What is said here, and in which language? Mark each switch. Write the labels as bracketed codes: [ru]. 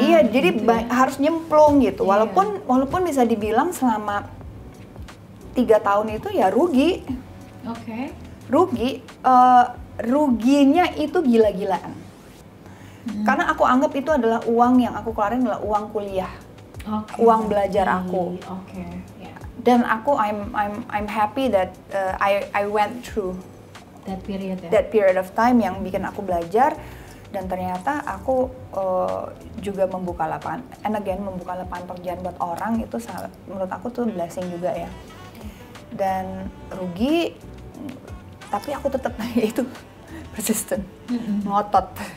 [id] Iya, gitu. Jadi harus nyemplung gitu. Iya. Walaupun walaupun bisa dibilang selama 3 tahun itu ya rugi. Oke. Okay. Rugi, ruginya itu gila-gilaan. Karena aku anggap itu adalah uang yang aku keluarin adalah uang kuliah. Okay. Uang belajar aku. Oke. Okay. Dan aku [en] I'm happy that I went through that period ya? That period of time [id] yang bikin aku belajar dan ternyata aku juga membuka lapangan [en] and again [id] membuka lapangan pekerjaan buat orang itu sangat, menurut aku tuh blessing juga ya. Dan rugi tapi aku tetap itu persistent, ngotot.